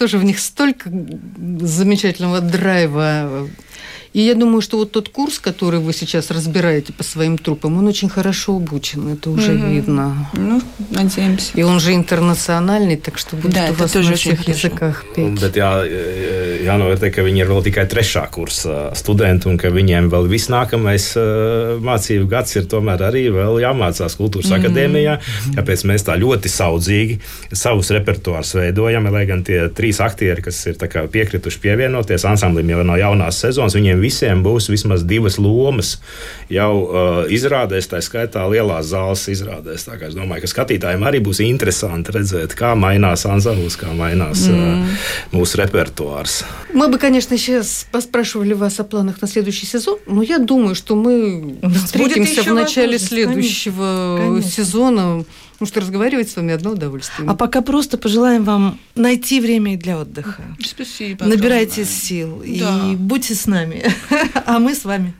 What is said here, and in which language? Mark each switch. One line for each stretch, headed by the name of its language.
Russian: Тоже в них столько замечательного драйва. И я думаю, что вот тот курс, который вы сейчас разбираете по своим трупам, он очень хорошо обучен, это уже видно. Ну, надеемся. И он же интернациональный, так что будет у вас на всех языках петь.
Latvian: Bet jā novērtē, ka viņi ir vēl tikai trešā kursa studenti, un ka viņiem vēl viss nākamais mācību gads ir tomēr arī vēl jāmācās kultūras akadēmijā, kāpēc mēs tā ļoti saudzīgi savus repertuārus veidojam, lai gan tie trīs aktieri, kas ir tā kā piekrituši pievienoties ansamblim jau no jaunās sezonas, viņiem visiem būs vismaz divas lomas jau izrādēs, tā skaitā lielās zāles izrādēs. Tā kā es domāju, ka skatītājiem arī būs interesanti redzēt, kā mainās ansamblis, kā mainās mūsu repertuārs.
Russian: Мы бы, конечно, сейчас поспрашивали вас о планах на следующий сезон, но я думаю, что мы встретимся в начале следующего сезона, потому что разговаривать с вами одно удовольствие. А пока просто пожелаем вам найти время для отдыха. Спасибо. Набирайте сил и будьте с нами, а мы с вами.